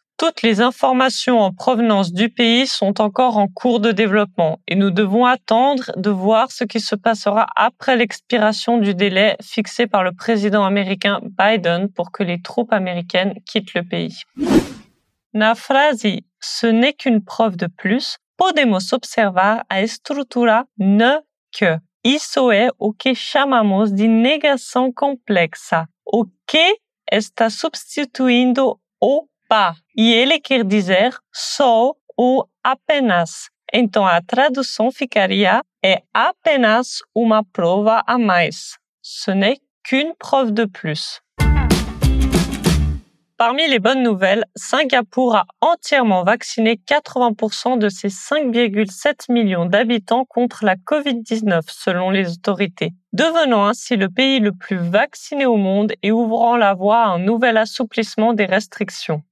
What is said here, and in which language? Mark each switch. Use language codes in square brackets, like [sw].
[fr] Toutes les informations en provenance du pays sont encore en cours de développement et nous devons attendre de voir ce qui se passera après l'expiration du délai fixé par le président américain Biden pour que les troupes américaines quittent le pays. Nafrasi, ce n'est qu'une preuve de plus. [pt] Podemos observar a estrutura ne que. Isso é o que chamamos de negação complexa. O que está substituindo o pa? E ele quer dizer só ou apenas. Então a tradução ficaria é apenas uma prova a mais. [fr] Ce n'est qu'une preuve de plus. Parmi les bonnes nouvelles, Singapour a entièrement vacciné 80% de ses 5,7 millions d'habitants contre la COVID-19, selon les autorités, devenant ainsi le pays le plus vacciné au monde et ouvrant la voie à un nouvel assouplissement des restrictions.